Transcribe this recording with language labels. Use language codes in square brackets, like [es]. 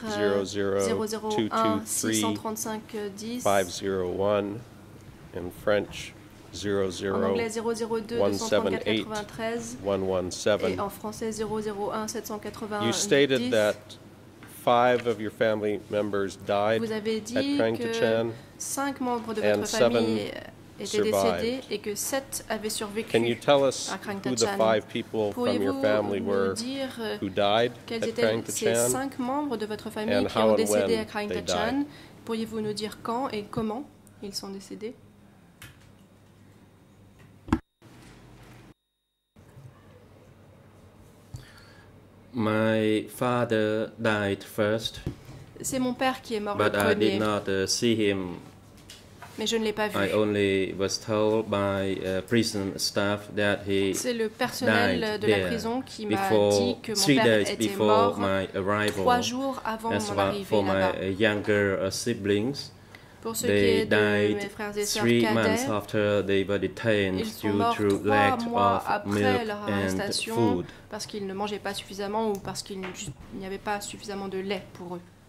[en] 00123501, in French 00172-193-117, [fr] et en français 001-780-10. [en] You stated that five of your family members died at Prang Tachan, [fr] cinq membres de votre famille étaient décédés et que sept avaient survécu à Krang Tachan. Pourriez-vous nous dire quels étaient ces cinq membres de votre famille qui ont décédé à Krang Tachan? Pourriez-vous nous dire quand et comment ils sont décédés? [en] My father died first. [fr] C'est mon père qui est mort le premier. [en] But I did not see him. [fr] Mais je ne l'ai pas vu. [en] I only was told by prison staff that he [fr] c'est le personnel de la prison qui m'a dit que mon père était mort [en] my arrival, [fr] trois jours avant mon arrivée là-bas. [en] For my younger siblings, [fr] pour ce [en] they [fr] qui est de [en] died [fr] mes frères et sœurs [en] three [fr] cadets, [en] months after they were detained due to lack of milk and food. [fr] Parce qu'ils ne mangeaient pas suffisamment ou parce qu'il n'y avait pas suffisamment de lait pour eux.